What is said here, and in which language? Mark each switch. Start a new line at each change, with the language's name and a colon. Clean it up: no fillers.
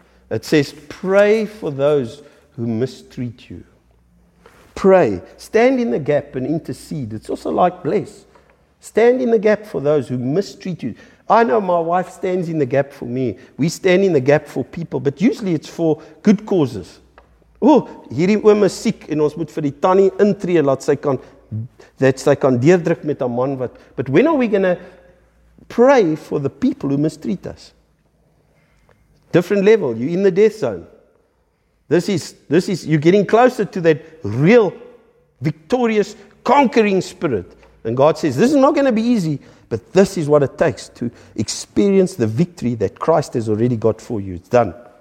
English: It says, pray for those who mistreat you. Pray. Stand in the gap and intercede. It's also like bless. Stand in the gap for those who mistreat you. I know my wife stands in the gap for me. We stand in the gap for people, but usually it's for good causes.
Afrikaans: Oh, hierdie ouma is siek en ons moet vir die tannie intree laat sy kan dat sy kan deurdruk met haar man wat.
English: But when are we going to pray for the people who mistreat us? Different level. You're in the death zone. This is you're getting closer to that real victorious conquering spirit. And God says, this is not going to be easy, but this is what it takes to experience the victory that Christ has already got for you. It's done.